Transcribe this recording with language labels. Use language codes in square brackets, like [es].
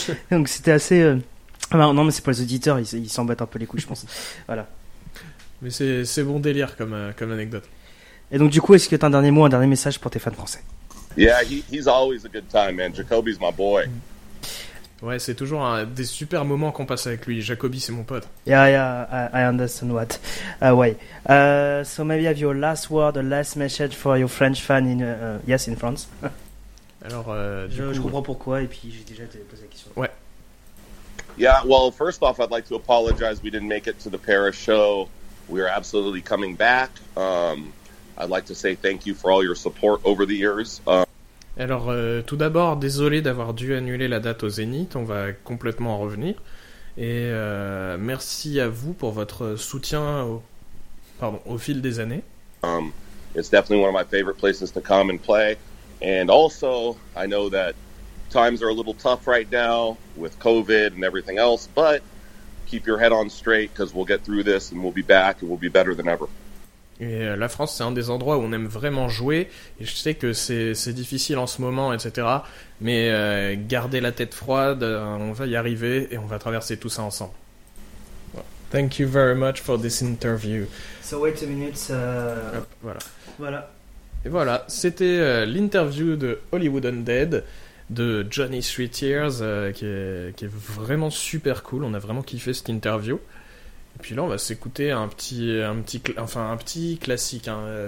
[fr] Donc c'était assez. Non, mais c'est pour les auditeurs. Ils s'en battent un peu les couilles, je pense. Voilà. Mais c'est bon délire comme anecdote. Et donc du coup, est-ce que tu as un dernier mot, un dernier message pour tes fans français? [en] Yeah, he's always a good time, man. Jacoby's my boy. [fr] Ouais, c'est toujours des super moments qu'on passe avec lui. Jacoby, c'est mon pote. [en] Yeah, I understand what. So maybe have your last word, the last message for your French fan in yes in France. [fr] Alors, je comprends pourquoi et puis j'ai déjà posé la question. Ouais. [en] Yeah, well, first off, I'd like to apologize. We didn't make it to the Paris show. We are absolutely coming back. I'd like to say thank you for all your support over the years. [fr] Alors, tout d'abord, désolé d'avoir dû annuler la date au Zénith. On va complètement en revenir. Et merci à vous pour votre soutien au fil des années. [en] It's definitely one of my favorite places to come and play. And also, I know that times are a little tough right now with COVID and everything else, but keep your head on straight because we'll get through this and we'll be back and we'll be better than ever. [fr] Et la France, c'est un des endroits où on aime vraiment jouer. Et je sais que c'est difficile en ce moment, etc. Mais gardez la tête froide, on va y arriver et on va traverser tout ça ensemble. [en] Well, thank you very much for this interview. So wait a minute. [fr] Hop, voilà. Voilà. Et voilà, c'était l'interview de Hollywood Undead, de Johnny Three Tears, qui est vraiment super cool. On a vraiment kiffé cette interview. Et puis là, on va s'écouter un petit classique. Hein.